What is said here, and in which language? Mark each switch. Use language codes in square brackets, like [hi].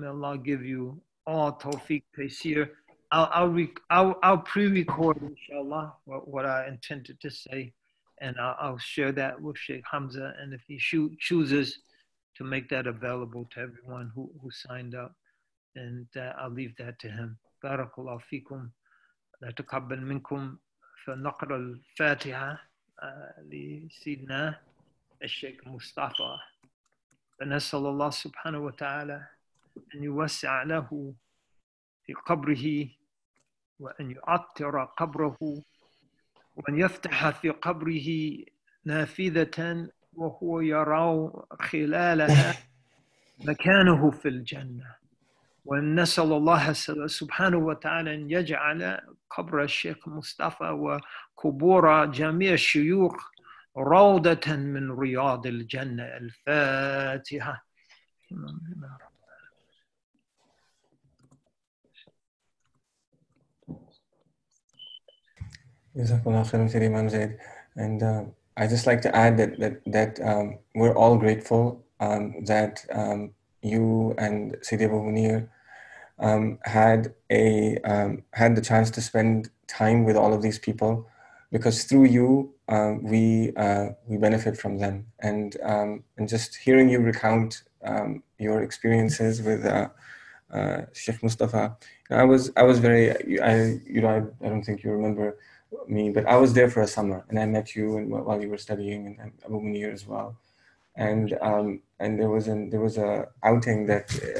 [en] May Allah give you all tawfiq taysir. I'll pre-record, inshallah, what I intended to say. And I'll share that with Sheikh Hamza. And if he chooses to make that available to everyone who signed up, and I'll leave that to him. Barakallahu feekum. [ar] La taqabbal minkum fa naqra al-fatiha li Sidna الشيخ مصطفى فنسأل الله سبحانه وتعالى أن يوسع له في قبره وأن يعطر قبره وأن يفتح في قبره نافذة وهو يرى خلالها مكانه في الجنة ونسأل الله سبحانه وتعالى أن يجعل قبر الشيخ مصطفى وكبور جميع الشيوخ روضة من رياض الجنة الفاتحة. جزاكم الله خيرا سيدي إمام زيد. [en] And I just like to add that we're all grateful that you and Sidi Abu Munir had the chance to spend time with all of these people. Because through you, we benefit from them, and just hearing you recount your experiences with Sheikh Mustafa, I was very, I don't think you remember me, but I was there for a summer, and I met you and while you were studying, and Abu Munir as well, and there was a outing that